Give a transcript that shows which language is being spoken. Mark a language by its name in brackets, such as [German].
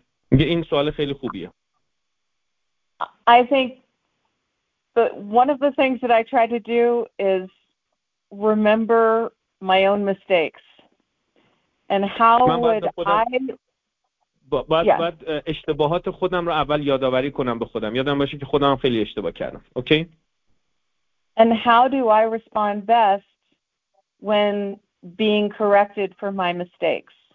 [Persian] این سوال خیلی خوبیه. [English] I think one of the things that I try to do is remember my own mistakes and how would [Persian] باید اشتباهات خودم رو اول یادآوری کنم به خودم، یادم باشه که خودم خیلی اشتباه کردم. [English] Okay and how do I respond best when being corrected for my mistakes.